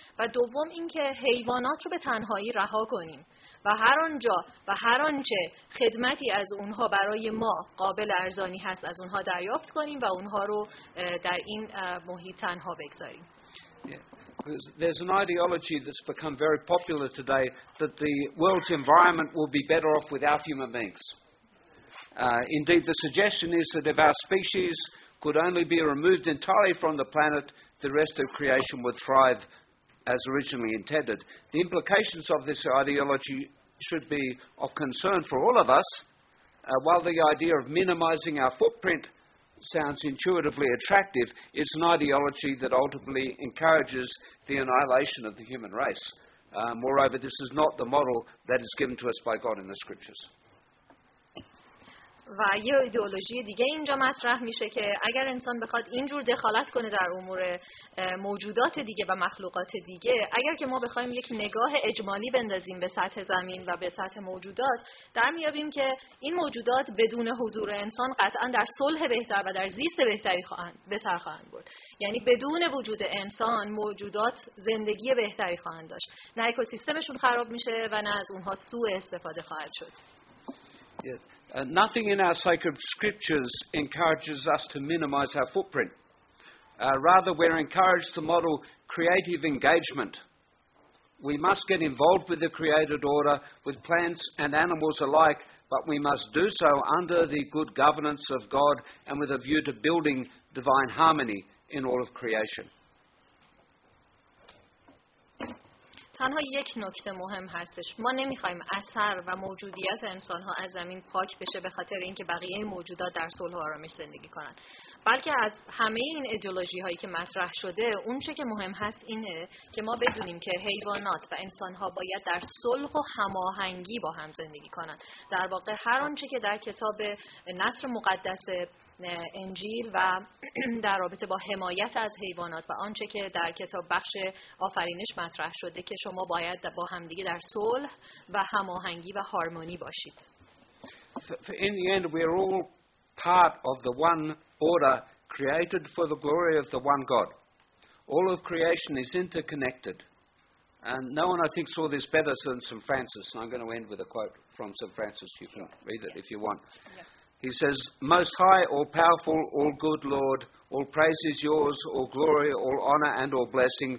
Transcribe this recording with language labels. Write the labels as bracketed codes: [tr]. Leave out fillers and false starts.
[fa] و دوم این که حیوانات رو به تنهایی رها کنیم و هر آنجا و هر آنچه خدمتی از اونها برای ما قابل ارزانی هست از اونها دریافت کنیم و اونها رو در این محیط تنها بگذاریم. [en] There's an ideology that's become very popular today that the world's environment will be better off without human beings. Indeed the suggestion is that if our species could only be removed entirely from the planet, the rest of creation would thrive as originally intended. The implications of this ideology should be of concern for all of us. While the idea of minimizing our footprint sounds intuitively attractive, it's an ideology that ultimately encourages the annihilation of the human race. Moreover, this is not the model that is given to us by God in the scriptures. [fa] و یه ایدئولوژی دیگه اینجا مطرح میشه که اگر انسان بخواد اینجور دخالت کنه در امور موجودات دیگه و مخلوقات دیگه، اگر که ما بخوایم یک نگاه اجمالی بندازیم به سطح زمین و به سطح موجودات، در میابیم که این موجودات بدون حضور انسان قطعا در صلح بهتر و در زیست بهتری خواهند بود. یعنی بدون وجود انسان موجودات زندگی بهتری خواهند داشت، نه اکوسیستمشون خراب میشه و نه از اونها سوء استفاده خواهد شد. [en] Yes. Nothing in our sacred scriptures encourages us to minimize our footprint. Rather, we're encouraged to model creative engagement. We must get involved with the created order, with plants and animals alike, but we must do so under the good governance of God and with a view to building divine harmony in all of creation. [fa] تنها یک نکته مهم هستش، ما نمیخوایم اثر و موجودیت انسان‌ها از زمین پاک بشه به خاطر اینکه بقیه موجودات در صلح و آرامش زندگی کنن، بلکه از همه این ایدئولوژی هایی که مطرح شده اون چه که مهم هست اینه که ما بدونیم که حیوانات و انسان‌ها باید در صلح و هماهنگی با هم زندگی کنن. در واقع هر اون چه که در کتاب نثر مقدس انجیل و در رابطه با حمایت از حیوانات و آنچه که در کتاب بخش آفرینش مطرح شده که شما باید با همدیگه در صلح و هماهنگی و هارمونی باشید. [en] For in the end we are all part of the one order created for the glory of the one God. All of creation is interconnected. And no one I think saw this better than St. Francis. And I'm going to end with a quote from St. Francis. You can read it if you want. He says, Most High, all-powerful, all-good Lord, all praise is yours, all glory, all honor, and all blessing.